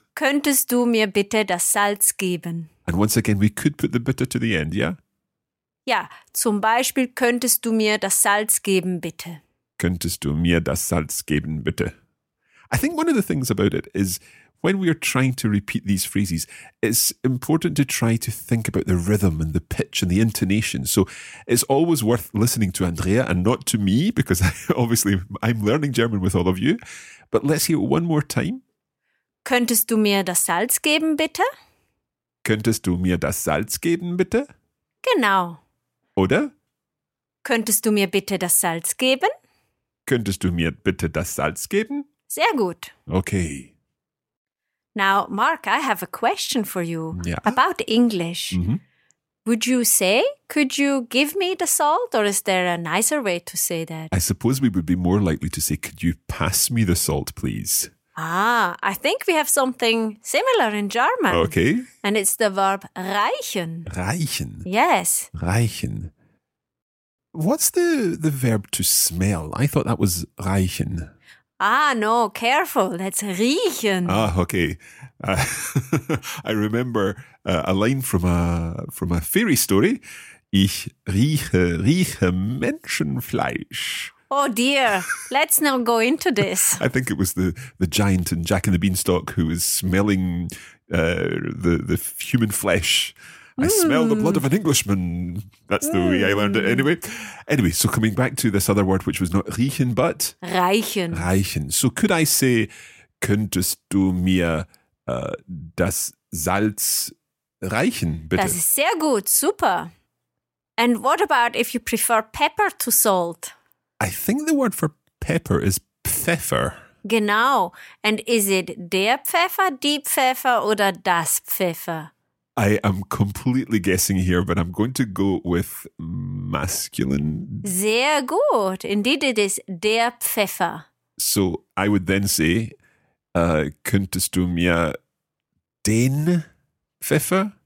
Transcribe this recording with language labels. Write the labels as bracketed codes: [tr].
[de] Könntest du mir bitte das Salz geben? [en] And once again, we could put the bitte to the end, yeah? [de] Ja, zum Beispiel, könntest du mir das Salz geben, bitte? Könntest du mir das Salz geben, bitte? [en] I think one of the things about it is when we are trying to repeat these phrases, it's important to try to think about the rhythm and the pitch and the intonation. So it's always worth listening to Andrea and not to me, because obviously I'm learning German with all of you. But let's hear it one more time. [de] Könntest du mir das Salz geben, bitte? Könntest du mir das Salz geben, bitte? Genau. Oder? Könntest du mir bitte das Salz geben? Könntest du mir bitte das Salz geben? Sehr gut. [en] Okay. Now, Mark, I have a question for you about English. Mm-hmm. Would you say, could you give me the salt? Or is there a nicer way to say that? I suppose we would be more likely to say, could you pass me the salt, please? Ah, I think we have something similar in German. Okay. And it's the verb reichen. [de] Reichen. [en] Yes. Reichen. What's the verb to smell? I thought that was reichen. Ah, no, careful. That's riechen. Ah, okay. I remember a line from a fairy story. [de] Ich rieche Menschenfleisch. [en] Oh dear, let's not go into this. I think it was the giant in Jack and the Beanstalk who was smelling the human flesh. Mm. I smell the blood of an Englishman. That's the way I learned it anyway. Anyway, so coming back to this other word, which was not riechen, but... [de] Reichen. Reichen. [en] So could I say, [de] könntest du mir das Salz reichen, bitte? Das ist sehr gut, super. [en] And what about if you prefer pepper to salt? I think the word for pepper is Pfeffer. [de] Genau. [en] And is it [de] der Pfeffer, die Pfeffer oder das Pfeffer? [en] I am completely guessing here, but I'm going to go with masculine. [de] Sehr gut. [en] Indeed, it is [de] der Pfeffer. [en] So I would then say, [de] könntest du mir den Pfeffer?